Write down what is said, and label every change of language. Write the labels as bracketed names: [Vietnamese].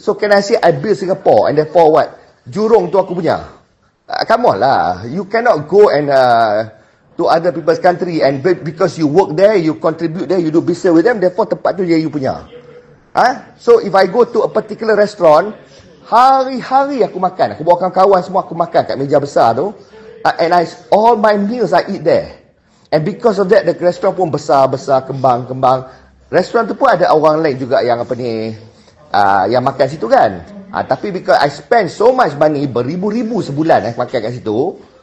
[English] So can I say I build Singapore and therefore what? [Malay] Jurong tu aku punya. [English] Come on lah. You cannot go and to other people's country and because you work there, you contribute there, you do business with them, therefore [Malay] tempat tu dia [English] you punya. So if I go to a particular restaurant, [Malay] hari-hari aku makan. Aku bawa kawan-kawan semua aku makan kat meja besar tu. [English] And all my meals I eat there. And because of that, the restaurant [Malay] pun besar-besar, kembang-kembang. Restaurant tu pun ada orang lain juga yang apa ni, yang makan situ kan. [English] Tapi because I spend so much money, [Malay] beribu-ribu sebulan makan kat situ.